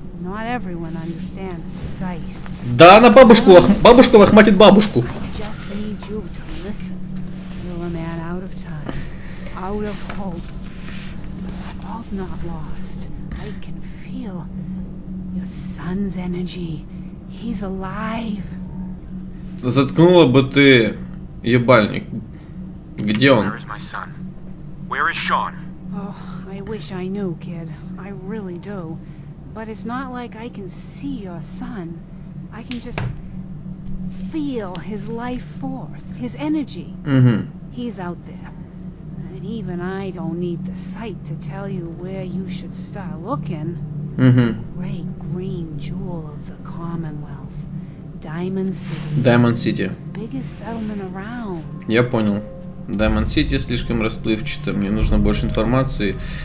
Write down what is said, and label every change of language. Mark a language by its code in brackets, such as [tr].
[en] Not everyone understands the sight. [ru] Да, на бабушку, бабушка лохматит бабушку. [en] I just need you to listen. You're a man out of time, out of hope. All's not lost. I can feel your son's energy. He's alive. [ru] Заткнула бы ты ебальник. Где он? [en] Where is my son? Where is Sean? Oh, I wish I knew, kid. I really do. But it's not like I can see your son. I can just feel his life force, his energy. Mm-hmm. He's out there. And even I don't need the sight to tell you where you should start looking. Mm-hmm. Great green jewel of the Commonwealth. Diamond City. Diamond City. Biggest settlement around. [ru] Я понял. Diamond City слишком расплывчато. Мне нужно больше информации.